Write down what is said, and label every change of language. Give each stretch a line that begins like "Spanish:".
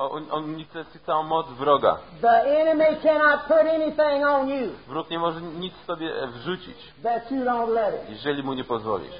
Polish: On unicestwił całą moc wroga.
English: The enemy cannot put anything on you.
Polish: Wróg nie może nic sobie wrzucić,
English: that you don't let it.
Polish: Jeżeli mu nie pozwolisz.